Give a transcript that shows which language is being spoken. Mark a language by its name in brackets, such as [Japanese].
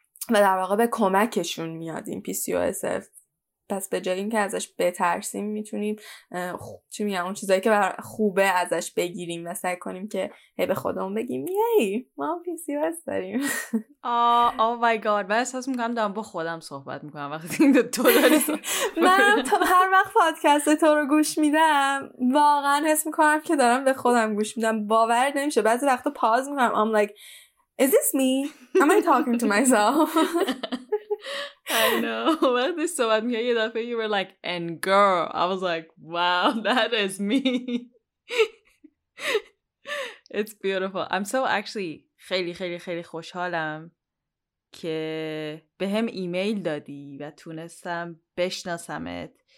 [Persian] و در واقع به کمکشون میاد این PCOS، پس به جایی که ازش بترسیم میتونیم چی میگم اون چیزایی که بر خوبه ازش بگیریم و سعی کنیم که هی به خودمون بگیم یهی ما هم PCOS داریم. [English] آه oh my god, [Persian] من احساس میکنم دارم با خودم صحبت میکنم وقتی این تو داری صحبت میکنم. من هر وقت پادکست تو رو گوش میدم واقعا حس میکنم که دارم به خودم گوش میدم، باور نمیشه. بعضی وقتا پاز میکنم [English] I'm like is this me? Am I talking to myself? I know. [Persian] وقتی صحبت میکنی یه دفعه [English] you were like and girl. I was like wow that is me. It's beautiful. I'm so actually [Persian] خیلی خیلی خیلی خوشحالم که به هم ایمیل دادی و تونستم بشناسمت.